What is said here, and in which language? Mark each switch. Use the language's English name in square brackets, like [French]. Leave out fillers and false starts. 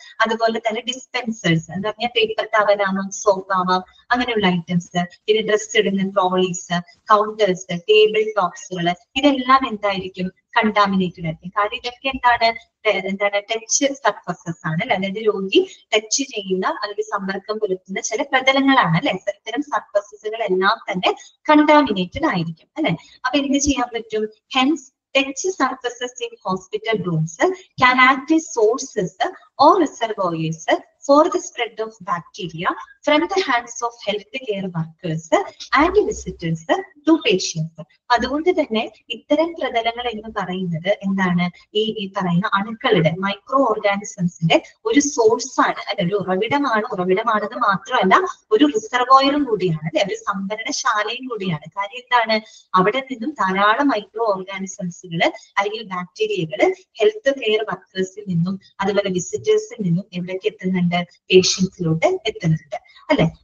[Malayalam] അതുപോലെ തന്നെ ഡിസ്പെൻസർ എന്ന് പറഞ്ഞാൽ പേപ്പർ ടവലാവാം, സോപ്പ് ആവാം, അങ്ങനെയുള്ള ഐറ്റംസ്, പിന്നെ ഡ്രസ് ഇടുന്ന ട്രോളീസ്, കൗണ്ടേഴ്സ്, ടേബിൾ ടോപ്സുകള്, ഇതെല്ലാം എന്തായിരിക്കും? കണ്ടാമിനേറ്റഡ് ആയിരിക്കും. കാരണം ഇതൊക്കെ എന്താണ്, എന്താണ് ടച്ച് സർഫസസ് ആണ് അല്ലെ, അതായത് രോഗി ടച്ച് ചെയ്യുന്ന അല്ലെങ്കിൽ സമ്പർക്കം പുലർത്തുന്ന ചില പ്രതലങ്ങളാണ് അല്ലെ. ഇത്തരം സർഫസസുകൾ എല്ലാം തന്നെ കണ്ടാമിനേറ്റഡ് ആയിരിക്കും അല്ലെ. അപ്പൊ എന്ത് ചെയ്യാൻ പറ്റും? [English] Hands touch surfaces in hospital rooms can act as sources or reservoirs for the spread of bacteria from the hands of health care workers and visitors to patients. [Malayalam] അതുകൊണ്ട് തന്നെ ഇത്തരം പ്രതലങ്ങൾ എന്ന് പറയുന്നത് എന്താണ്, ഈ പറയുന്ന അണുക്കളുടെ, മൈക്രോ ഓർഗാനിസംസിന്റെ ഒരു സോഴ്സ് ആണ് അല്ലെ, ഒരു ഉറവിടമാണ്. ഉറവിടമാണെന്ന് മാത്രമല്ല, ഒരു റിസർവോയറും കൂടിയാണ് അല്ലെ, ഒരു സംഭരണശാലയും കൂടിയാണ്. കാര്യം എന്താണ്, അവിടെ നിന്നും ധാരാളം മൈക്രോ ഓർഗാനിസംസുകൾ അല്ലെങ്കിൽ ബാക്ടീരിയകൾ ഹെൽത്ത് കെയർ വർക്കേഴ്സിൽ നിന്നും അതുപോലെ വിസിറ്റേഴ്സിൽ നിന്നും എവിടേക്ക് എത്തുന്നുണ്ട്, പേഷ്യൻസിലോട്ട് എത്തുന്നുണ്ട് അല്ലെ.